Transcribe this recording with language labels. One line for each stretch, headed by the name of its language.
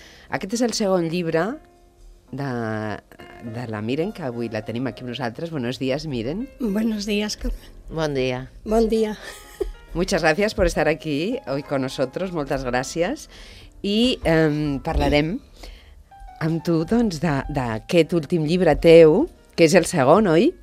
Catalan: Aquest és el segon llibre de la Miren, que avui la tenim aquí amb nosaltres.
Spanish: Buenos días, Miren. Buenos días.
Catalan: Bon dia. Bon dia.
Spanish: Muchas gracias por estar aquí hoy con nosotros.
Catalan: Moltes gràcies. I parlarem amb tu doncs, d'aquest últim llibre teu, que és el segon, oi?